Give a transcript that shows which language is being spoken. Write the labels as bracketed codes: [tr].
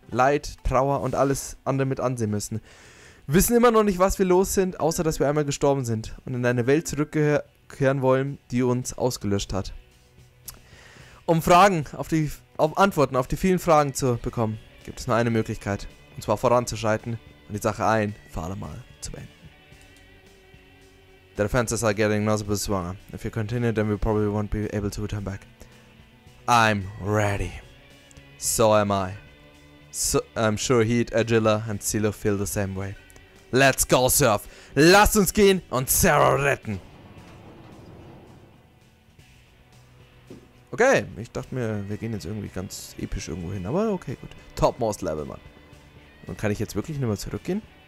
[de] Leid, Trauer und alles andere mit ansehen müssen. Wir wissen immer noch nicht, was wir los sind, außer dass wir einmal gestorben sind und in eine Welt zurückkehren wollen, die uns ausgelöscht hat. Um Fragen Antworten auf die vielen Fragen zu bekommen, gibt es nur eine Möglichkeit. Und zwar voranzuschreiten und die Sache ein für alle Mal zu beenden. [en] The defenses are getting noticeably stronger. If you continue, then we probably won't be able to return back. I'm ready. So am I. So, I'm sure Heat, Agila and Zilo feel the same way. Let's go, Surf! [de] Lass uns gehen und Sarah retten! Okay, ich dachte mir, wir gehen jetzt irgendwie ganz episch irgendwo hin, aber okay, gut. Topmost Level, Mann. Und kann ich jetzt wirklich nicht mehr zurückgehen?